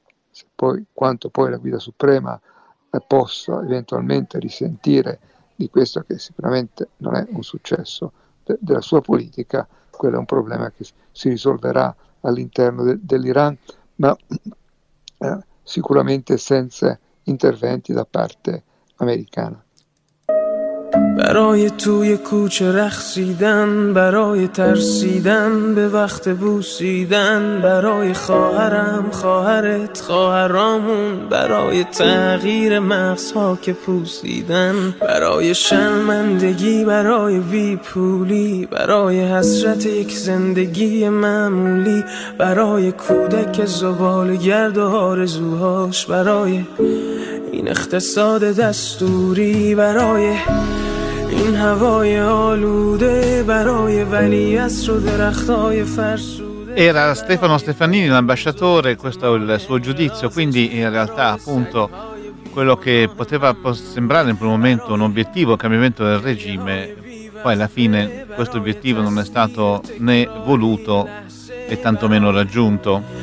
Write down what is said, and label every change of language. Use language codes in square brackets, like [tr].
[it] Se poi, quanto poi la guida suprema possa eventualmente risentire di questo, che sicuramente non è un successo della sua politica, quello è un problema che si risolverà all'interno dell'Iran, ma sicuramente senza interventi da parte americana. [fa] برای توی کوچه رخصیدن، برای ترسیدن به وقت بوسیدن، برای خواهرم، خواهرت، خواهرامون، برای تغییر مغزها که پوسیدن، برای شرمندگی، برای بیپولی، برای حسرت یک زندگی معمولی، برای کودک زبال گرد و آرزوهاش، برای این اقتصاد دستوری، برای این هوای آلوده، برای ولی عصر و درختای فرسوده. [it] Era Stefano Stefanini, l'ambasciatore, questo è il suo giudizio. Quindi in realtà, appunto, quello che poteva sembrare in primo momento un obiettivo, un cambiamento del regime, poi alla fine questo obiettivo non è stato né voluto e tantomeno raggiunto.